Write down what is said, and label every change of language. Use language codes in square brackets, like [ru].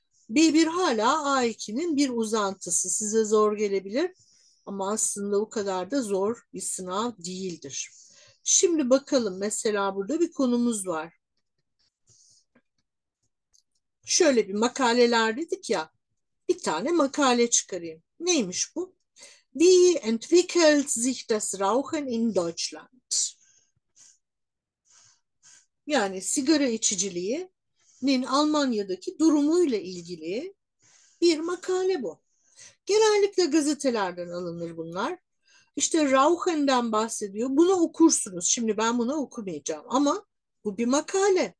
[tr] B1 hala A2'nin bir uzantısı. Size zor gelebilir ama aslında o kadar da zor bir sınav değildir. Şimdi bakalım, mesela burada bir konumuz var. Şöyle bir makaleler dedik ya. Bir tane makale çıkarayım. Neymiş bu? [de] Wie entwickelt sich das Rauchen in Deutschland? [tr] Yani sigara içiciliğinin Almanya'daki durumuyla ilgili bir makale bu. Genellikle gazetelerden alınır bunlar. İşte Rauchen'den bahsediyor. Bunu okursunuz. Şimdi ben bunu okumayacağım. Ama bu bir makale.